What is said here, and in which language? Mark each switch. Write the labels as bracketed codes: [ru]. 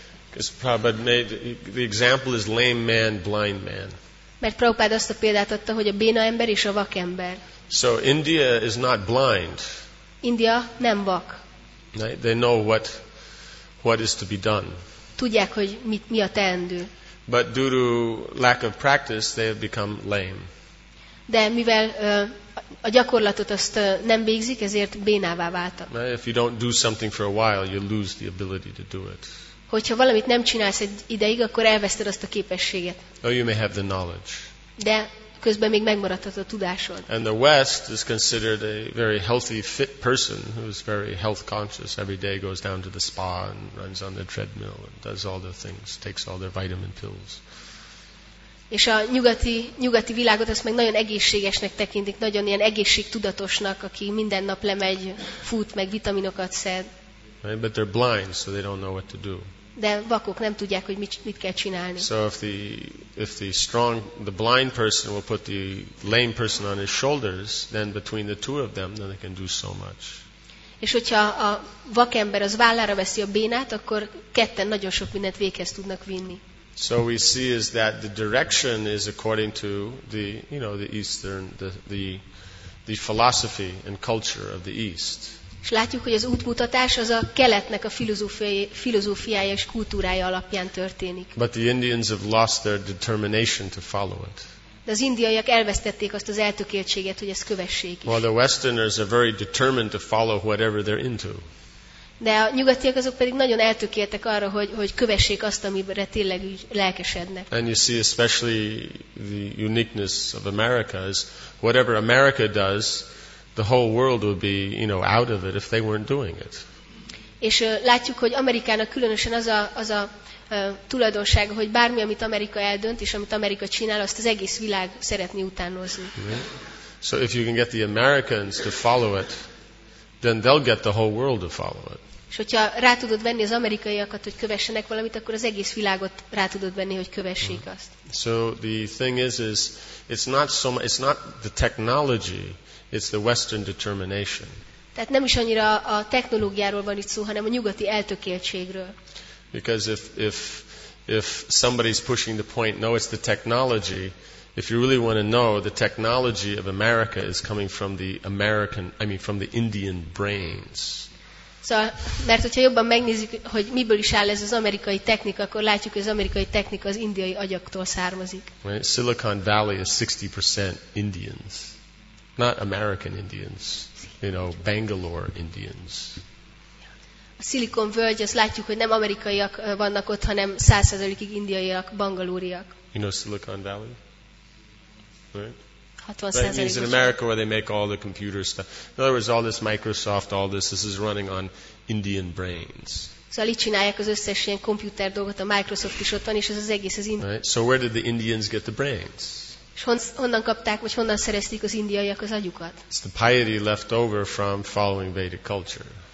[en] Because Prabhupada made the example is lame man, blind man. [hu] Mert Prabhupád azt a példát adta, hogy a béna ember és a vak ember. [en] So India is not blind. [hu] India nem vak. [en] Right? They know what is to be done. [hu] Tudják, hogy mi a teendő. [en] But due to lack of practice, they have become lame. [hu] De mivel A gyakorlatot azt nem végzik, ezért bénává váltak. [en] If you don't do something for a while, you lose the ability to do it. [hu] Hogyha valamit nem csinálsz egy ideig, akkor elveszted azt a képességet. [en] Or you may have the knowledge. [hu] De közben még megmaradhat a tudásod. [en] And the West is considered a very healthy, fit person who is very health conscious. Every day goes down to the spa and runs on the treadmill and does all the things, takes all their vitamin pills. [hu] És a nyugati világot azt meg nagyon egészségesnek tekintik, nagyon ilyen egészségtudatosnak, aki minden nap lemegy, fut, meg vitaminokat szed. [en] Right, but they're blind, so they don't know what to do. [hu] De vakok nem tudják, hogy mit kell csinálni. [en] So if the strong, the blind person will put the lame person on his shoulders, then between the two of them, then they can do so much. [hu] És hogyha a vakember az vállára veszi a bénát, akkor ketten nagyon sok mindent véghez tudnak vinni. [en] So we see is that the direction is according to the, you know, the Eastern, the philosophy and culture of the East. [hu] És látjuk, hogy az útmutatás az a keletnek a filozófiája és kultúrája alapján történik. [en] But the Indians have lost their determination to follow it. [hu] De az indiaiak elvesztették azt az eltökéltséget, hogy ezt kövessék is. [en] Well, the Westerners are very determined to follow whatever they're into. [hu] De a nyugatiak azok pedig nagyon eltökéltek arra, hogy kövessék azt, amire tényleg így lelkesednek. [en] And you see especially the uniqueness of America is whatever America does, the whole world would be, you know, out of it if they weren't doing it. [hu] És látjuk, hogy Amerikának különösen az a tulajdonsága, hogy bármi, amit Amerika eldönt és amit Amerika csinál, azt az egész világ szeretni utánozni. [en] So if you can get the Americans to follow it, then they'll get the whole world to follow it. [hu] És hogyha rá tudod venni az amerikaiakat, hogy kövessenek valamit, akkor az egész világot rá tudod venni, hogy kövessék azt. [en] So the thing is it's not the technology. It's the Western determination. [hu] Tehát nem is annyira a technológiáról van itt szó, hanem a nyugati eltökéltségről. [en] Because if somebody's pushing the point, no, it's the technology. If you really want to know, the technology of America is coming from the Indian brains. [hu] Szóval, mert hogyha jobban megnézzük, hogy miből is áll ez az amerikai technika, akkor látjuk, hogy az amerikai technika az indiai agyaktól származik. [en] Right? Silicon Valley is 60% Indians. Not American Indians, you know, Bangalore Indians. [hu] A Silicon Valley, azt látjuk, hogy nem amerikaiak vannak ott, hanem 100%-ig indiaiak, bangalóriak. [en] You know Silicon Valley? Right? 60%-ig. That means in America where they make all the computer stuff. In other words, all this Microsoft, all this is running on Indian brains. [hu] Szóval itt csinálják az összes ilyen komputer dolgot, a Microsoft is ott van, és ez az egész az indiai. [en] Right? So where did the Indians get the brains? [hu] És honnan kapták, vagy honnan szerezték az indiaiak az agyukat? [en] It's the piety left over from following Vedic culture.